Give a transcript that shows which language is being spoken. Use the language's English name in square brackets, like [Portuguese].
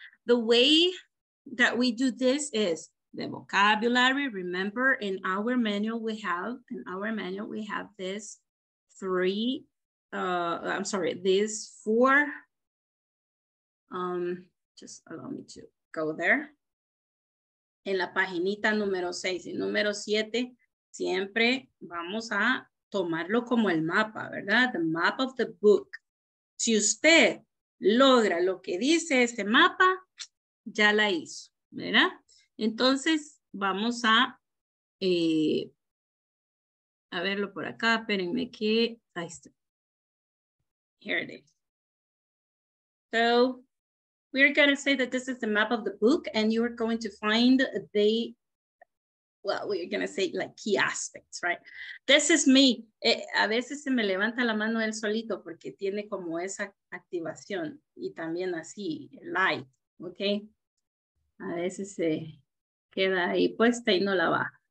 [English] The way that we do this is the vocabulary. Remember, in our manual we have, this three, I'm sorry, these four, just allow me to go there. [Spanish] En la paginita número 6 y número 7, siempre vamos a tomarlo como el mapa, ¿verdad? [English] The map of the book. [Spanish] Si usted logra lo que dice ese mapa, ya la hizo, ¿verdad? Entonces, vamos a verlo por acá. Espérenme que... Ahí está. [English] Here it is. So... we're going to say that this is the map of the book and you're going to find the, well, we're going to say like key aspects, right? This is me. [Spanish] A veces se me levanta la mano él solito porque tiene como esa activación y también así, light, okay? A veces se queda ahí puesta y no la baja.